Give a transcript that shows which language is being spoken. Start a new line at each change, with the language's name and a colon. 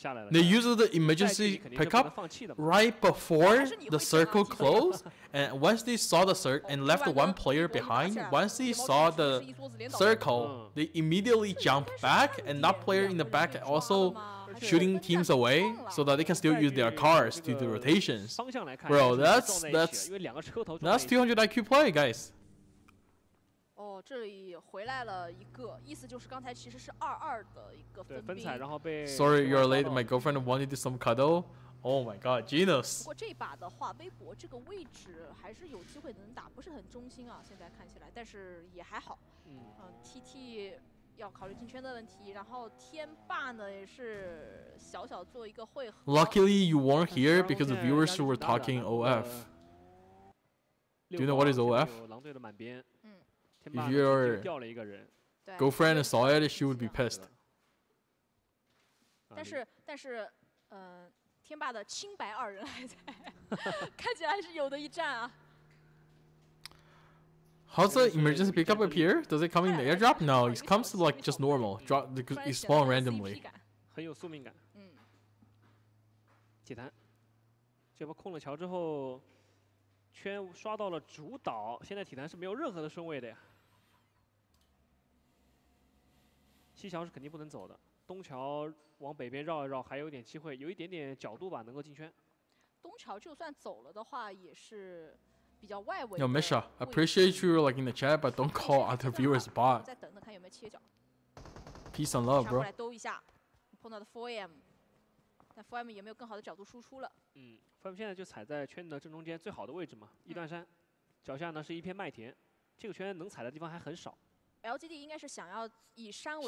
English: They use the emergency pickup right before the circle closed, and once they saw the circle and left one player behind, once they saw the circle, they immediately jump back, and that player in the back also shooting teams away so that they can still use their cars to do rotations. Bro, that's 200 IQ play, guys.
Chinese: 哦，这里回来了一个，意思就是刚才其实是二二的一个分兵。分彩，然后被。
English: Sorry, you're late. My girlfriend wanted some cuddle. Oh my god, genius.
Chinese: 不过这把的话，微博这个位置还是有机会能打，不是很中心啊。现在看起来，但是也还好。TT 要考虑进圈的问题，然后天霸呢也是小小做一个汇合。
English: Luckily, you weren't here because the viewers were talking OF. Do you know what is OF?
Chinese: 狼队的满编。
English: If your girlfriend saw it, she would be pissed.
Chinese: 但是，天霸的清白二人还在，看起来还是有的一战啊。
English: How's the emergency pickup appear? Does it come in the airdrop? No, it comes like just normal. Drop, it spawns randomly.
Chinese: 很有宿命感。铁坛，这波控了桥之后，圈刷到了主导，现在铁坛是没有任何的顺位的呀。西桥是肯定不能走的，东桥往北边绕一绕，还有一点机会，有一点点角度吧，能够进圈。东桥就算走了的话，也是比较外围。
English: Yo, Misha, appreciate you like in the chat, but don't call other viewers bot.
Chinese: 再等等看有没有切角。
English: Peace and love, bro.
Chinese: 来兜一下，碰到的 4M， 但 4M 也没有更好的角度输出了。嗯 ，4M 现在就踩在圈的正中间最好的位置嘛，一段山，脚下呢是一片麦田，这个圈能踩的地方还很少。 LGD 应该是想要以山为